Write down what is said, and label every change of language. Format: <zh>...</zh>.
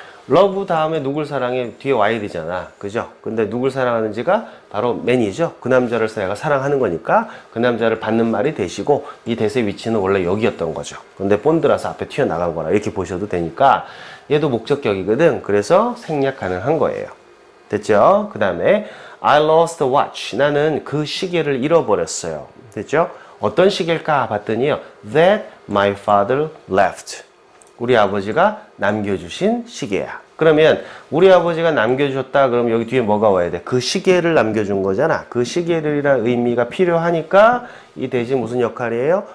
<ko>love 다음에 누굴 사랑해? 뒤에 y 되잖아. 그죠? 근데 누굴 사랑하는지가 바로 man이죠? 그 남자를 내가 사랑하는 거니까 그 남자를 받는 말이 되시고, 이 that의 위치는 원래 여기였던 거죠. 근데 본드라서 앞에 튀어나간 거라 이렇게 보셔도 되니까 얘도 목적격이거든. 그래서 생략 가능한 거예요. 됐죠? 그 다음에</ko> <en>I lost the watch.</en> <ko>나는 그 시계를 잃어버렸어요. 됐죠? 어떤 시계일까? 봤더니요.</ko> <en>That my father left.</en> <ko>우리 아버지가 남겨주신 시계야. 그러면 우리 아버지가 남겨주셨다. 그럼 여기 뒤에 뭐가 와야 돼? 그 시계를 남겨준 거잖아. 그 시계를이라는 의미가 필요하니까 이 대신 무슨 역할이에요?</ko>